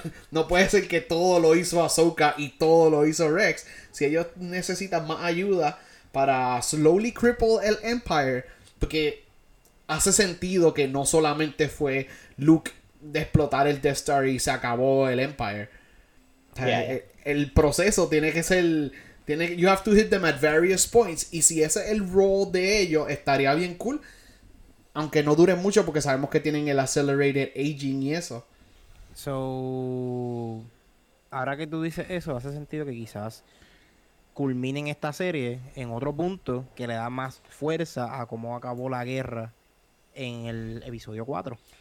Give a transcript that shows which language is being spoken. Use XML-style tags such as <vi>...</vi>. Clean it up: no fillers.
<es>No puede ser que todo lo hizo Ahsoka y todo lo hizo Rex. Si ellos necesitan más ayuda para</es> <en>slowly cripple</en> <es>el Empire, porque hace sentido que no solamente fue Luke de explotar el Death Star y se acabó el Empire. El proceso tiene que ser...</es> <en>you have to hit them at various points.</en> <es>Y si ese es el role de ellos, estaría bien cool. Aunque no dure mucho porque sabemos que tienen el</es> <en>accelerated aging</en> <es>y eso. So, ahora que tú dices eso, hace sentido que quizás culminen esta serie en otro punto que le da más fuerza a cómo acabó la guerra en el episodio 4.</es>